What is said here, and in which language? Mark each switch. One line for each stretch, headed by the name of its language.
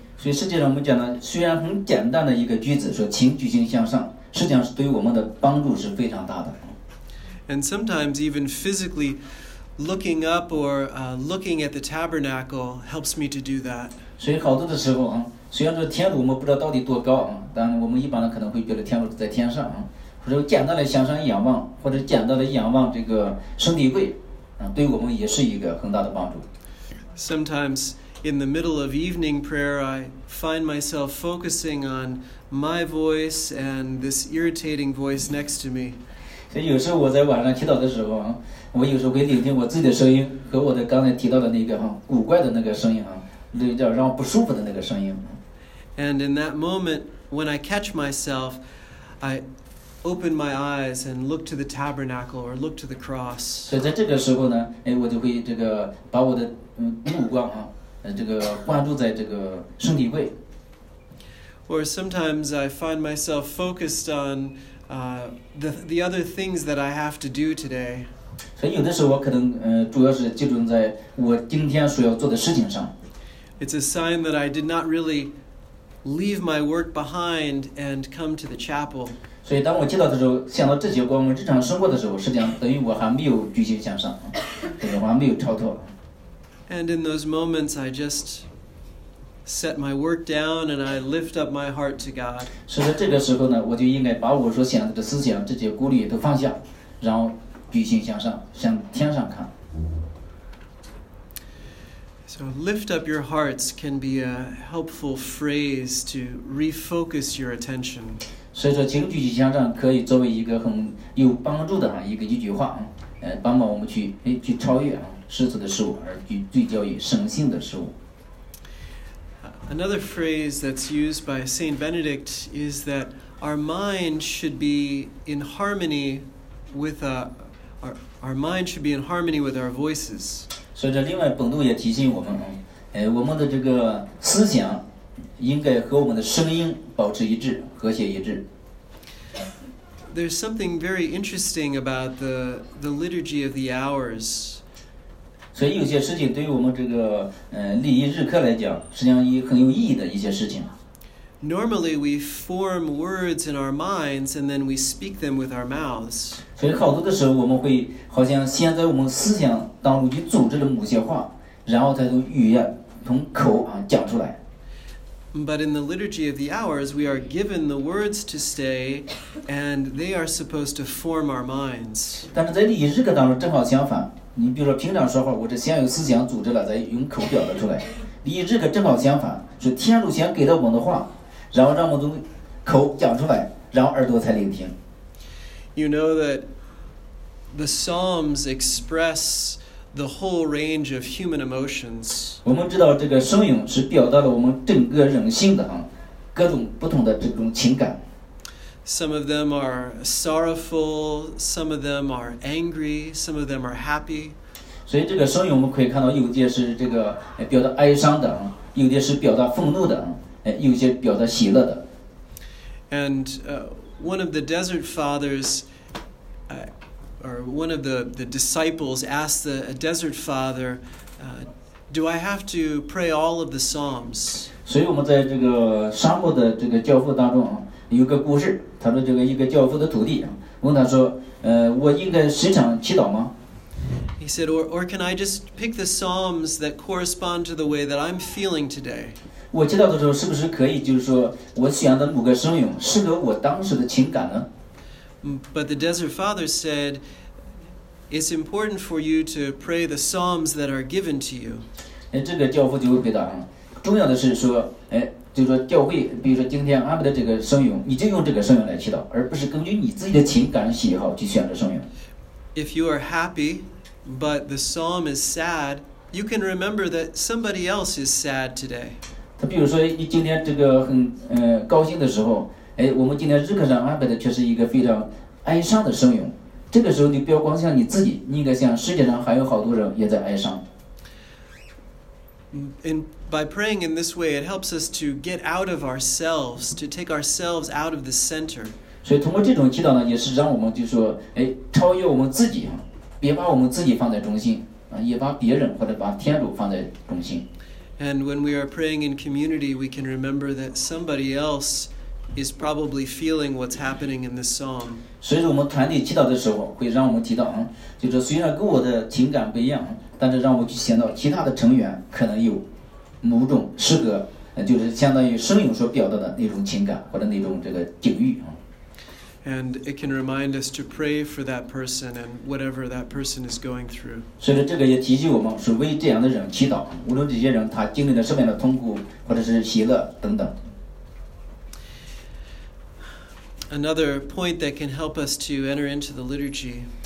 Chinese: 所以实际上我们讲的虽然很简单的一个句子，说请举心向上，实际上是对我们的帮助是非常大的。
English: And sometimes even physically looking up or looking at the tabernacle helps me to do that.
Chinese: 所以好多的时候啊，虽然说天主我们不知道到底多高啊，但我们一般的可能会觉得天主在天上啊。或者简单的向上仰望，或者简单的仰望这个圣体柜，对我们也是一个很大的帮助。
English: Sometimes in the middle of evening prayer, I find myself focusing on my voice and this irritating voice next to me.
Chinese: 所以有时候我在晚上祈祷的时候，我有时候会聆听我自己的声音和我的刚才提到的那个古怪的那个声音啊，那叫让我不舒服的那个声音。
English: And in that moment, when I catch myself, I open my eyes and look to the tabernacle or look to the cross.
Chinese: 所以在这个时候呢，我就会这个把我的目光啊，这个关注在这个圣体柜。
English: Or sometimes I find myself focused on the other things that I have to do today.
Chinese: 所以有的时候我可能主要是集中在我今天所要做的事情上。
English: It's a sign that I did not really leave my work behind and come to the chapel.
Chinese: 所以当我祈祷的时候，想到这些关于日常生活的时候，实际上等于我还没有举心向上，就是我还没有超脱。
English: And in those moments, I just set my work down and I lift up my heart to God.
Chinese: 所以在这个时候呢，我就应该把我所想的思想、这些顾虑都放下，然后举心向上，向天上看。
English: So lift up your hearts can be a helpful phrase to refocus your attention.
Chinese: 所以说请举起香杖可以作为一个很有帮助的一句话，帮忙我们 去超越世俗的事物，而去聚焦于神性的事物。
English: Another phrase that's used by Saint Benedict is that our mind should be in harmony with our mind should be in harmony with our voices.
Chinese: 所以这另外本度也提醒我们，我们的这个思想应该和我们的声音保持一致，和谐一致。
English: There's something very interesting about the liturgy of the hours.
Chinese: 所以有些事情对于我们这个历仪日课来讲，实际上也很有意义的一些事情。
English: Normally we form words in our minds and then we speak them with our mouths.
Chinese: 所以好多的时候我们会好像先在我们思想当中去组织了某些话，然后才从语言从口讲出来。
English: But in the liturgy of the hours, we are given the words to say, and they are supposed to form our minds.
Chinese: 但是在历仪日课当中正好相反。你比如说平常说话，我这先有思想组织了，再用口表达出来。你这个正好相反，是天主先给到我们的话，然后让我们从口讲出来，然后耳朵才聆听。
English: You know that the Psalms express the whole range of human emotions.
Chinese: 我们知道这个声咏是表达了我们整个人性的各种不同的这种情感。
English: Some of them are sorrowful, some of them are angry, some of them are happy.
Chinese: 所以这个声音我们可以看到，有些是这个表达哀伤的，有些是表达愤怒的，有些表达喜乐的。
English: And one of the desert fathers, or one of the disciples asked the desert father, do I have to pray all of the Psalms?
Chinese: 所以我们在这个沙漠的这个教父当中有个故事，他说这个一个教父的徒弟问他说，我应该时常祈祷吗？
English: He said, or can I just pick the psalms that correspond to the way that I'm feeling today?
Chinese: 我祈祷的时候是不是可以就是说我选的某个声咏适合我当时的情感呢？
English: But the desert father said, it's important for you to pray the psalms that are given to you.
Chinese: 这个教父就会回答，重要的是说，就是说教会比如说今天安排的这个圣咏，你就用这个圣咏来祈祷，而不是根据你自己的情感喜好去选择圣咏。
English: If you are happy but the psalm is sad, you can remember that somebody else is sad today.
Chinese: 他比如说你今天这个很高兴的时候，我们今天日课上安排的却是一个非常哀伤的圣咏，这个时候你不要光想你自己，你应该想世界上还有好多人也在哀伤。
English: And by praying in this way, it helps us to get out of ourselves, to take ourselves out of the center.
Chinese: 所以通过这种祈祷呢，也是让我们就说，超越我们自己，别把我们自己放在中心，也把别人或者把天主放在中心。
English: And when we are praying in community, we can remember that somebody else is probably feeling what's happening in this psalm.
Chinese: 所以说我们团体祈祷的时候，会让我们提到，就是虽然跟我的情感不一样，但是让我去想到其他的成员可能有某种适合，就是相当于声咏所表达的那种情感或者那种这个境遇。
English: And it can remind us to pray for that person and whatever that person is going through.
Chinese: 所以说这个也提醒我们是为这样的人祈祷，无论这些人他经历了什么样的痛苦或者是喜乐等等。
English: Another point that can help us to enter into the liturgy.